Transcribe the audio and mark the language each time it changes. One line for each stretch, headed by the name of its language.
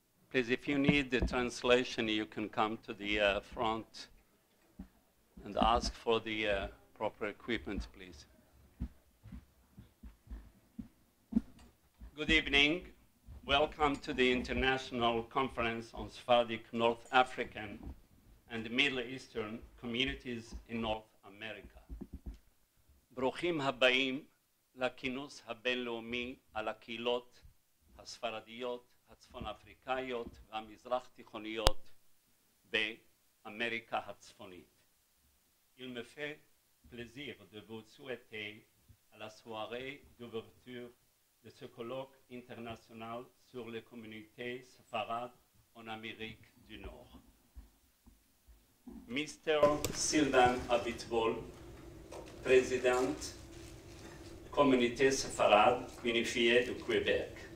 English: Please, if you need the translation, you can come to the front and ask for the proper equipment, please. Good evening. Welcome to the International Conference on Sephardic North African and Middle Eastern Communities in North America.
Hebrew: ברוכים הבאים לכינוס הבינלאומי על הקהילות הספרדיות, הצפון אפריקאיות והמזרח תיכוניות באמריקה הצפונית.
French: Il me fait plaisir de vous souhaiter à la soirée d'ouverture de ce colloque international sur les communautés séfarades en Amérique du Nord. Mr. Sylvain Abitbol, président de la communauté séfarade unifiée du Québec.